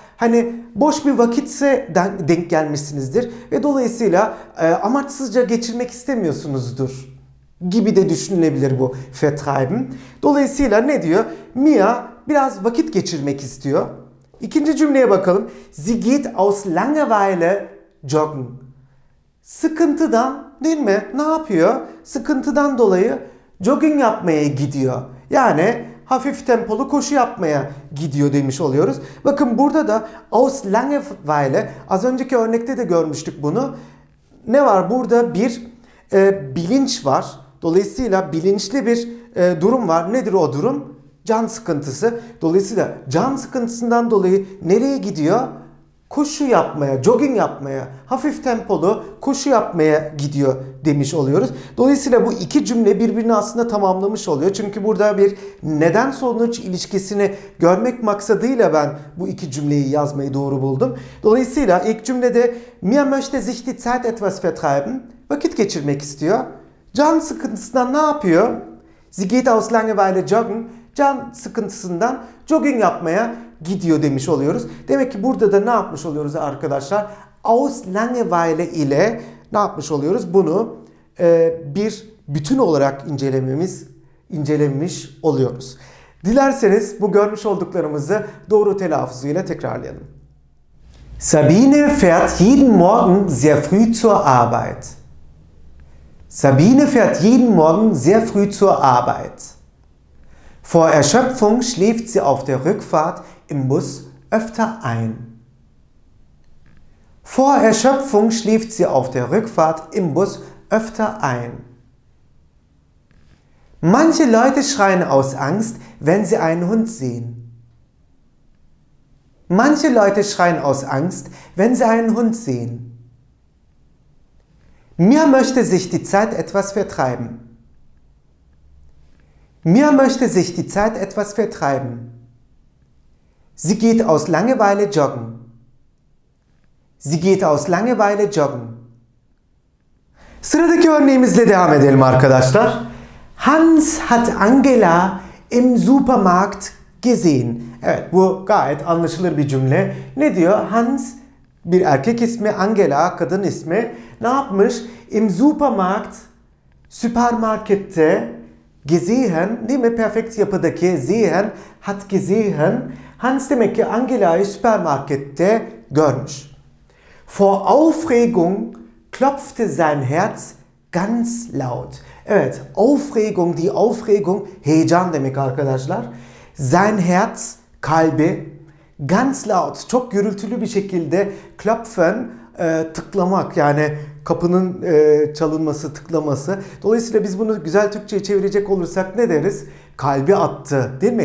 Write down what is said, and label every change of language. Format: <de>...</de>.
<tr>Hani boş bir vakitse denk gelmişsinizdir ve dolayısıyla amaçsızca geçirmek istemiyorsunuzdur gibi de düşünülebilir bu vertreiben. Dolayısıyla ne diyor? Mia biraz vakit geçirmek istiyor. İkinci cümleye bakalım.</tr> <de>Sie geht aus Langeweile joggen.</de> <tr>Sıkıntıdan, değil mi? Ne yapıyor? Sıkıntıdan dolayı jogging yapmaya gidiyor. Yani hafif tempolu koşu yapmaya gidiyor demiş oluyoruz. Bakın burada da aus Langeweile, az önceki örnekte de görmüştük bunu. Ne var? Burada bir bilinç var. Dolayısıyla bilinçli bir durum var. Nedir o durum? Can sıkıntısı. Dolayısıyla can sıkıntısından dolayı nereye gidiyor? Koşu yapmaya, jogging yapmaya, hafif tempolu koşu yapmaya gidiyor demiş oluyoruz. Dolayısıyla bu iki cümle birbirini aslında tamamlamış oluyor. Çünkü burada bir neden sonuç ilişkisini görmek maksadıyla ben bu iki cümleyi yazmayı doğru buldum. Dolayısıyla ilk cümlede</tr> <de>Mia möchte sich die Zeit etwas vertreiben,</de> <tr>vakit geçirmek istiyor. Can sıkıntısından ne yapıyor?</tr> <de>Sie geht aus Langeweile joggen.</de> <tr>Can sıkıntısından jogging yapmaya gidiyor demiş oluyoruz. Demek ki burada da ne yapmış oluyoruz arkadaşlar? Aus Langeweile ile ne yapmış oluyoruz? Bunu bir bütün olarak incelemiş oluyoruz. Dilerseniz bu görmüş olduklarımızı doğru telaffuzuyla tekrarlayalım.</tr> <de>Sabine fährt jeden Morgen sehr früh zur Arbeit. Sabine fährt jeden Morgen sehr früh zur Arbeit. Vor Erschöpfung schläft sie auf der Rückfahrt im Bus öfter ein. Vor Erschöpfung schläft sie auf der Rückfahrt im Bus öfter ein. Manche Leute schreien aus Angst, wenn sie einen Hund sehen. Manche Leute schreien aus Angst, wenn sie einen Hund sehen. Mir möchte sich die Zeit etwas vertreiben. Mir möchte sich die Zeit etwas vertreiben. Sie geht aus Langeweile joggen. Sie geht aus Langeweile joggen.</de> <tr>Sıradaki örneğimizle devam edelim arkadaşlar.</tr> <de>Hans hat Angela im Supermarkt gesehen.</de> <tr>Evet, bu gayet anlaşılır bir cümle. Ne diyor? Hans bir erkek ismi, Angela kadın ismi. Ne yapmış? Im Supermarkt, süpermarkette gesehen, değil mi? Perfekt yapıdaki sehen, hat gesehen. Hans demek ki Angela'yı süpermarkette görmüş.</tr> <de>Vor Aufregung klopfte sein Herz ganz laut.</de> <tr>Evet, Aufregung, die Aufregung, heyecan demek arkadaşlar. Sein Herz, kalbi, ganz laut, çok gürültülü bir şekilde klopfen, tıklamak, yani kapının çalınması, tıklaması. Dolayısıyla biz bunu güzel Türkçe'ye çevirecek olursak ne deriz? Kalbi attı, değil mi?</tr>